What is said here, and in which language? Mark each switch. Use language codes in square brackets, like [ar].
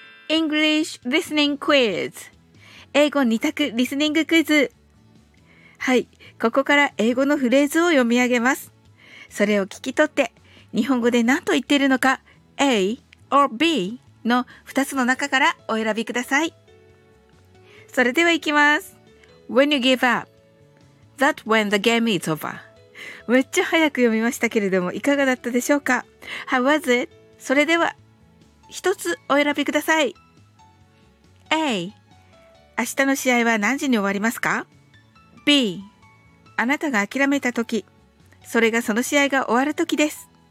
[en] English Listening Quiz、 [ja] 英語2択リスニングクイズ。はい、ここから英語のフレーズを読み上げます。それを聞き取って日本語で何と言っているのか、 A or B の2つの中からお選びください。それではいきます。 [en] When you give up, that when the game is over。 [ja] めっちゃ早く読みましたけれども、いかがだったでしょうか。 [en] How was it? [ja] それでは1つお選びください。A、 明日の試合は何時に終わりますか。 B、 あなたが諦めた時、それがその試合が終わる時です。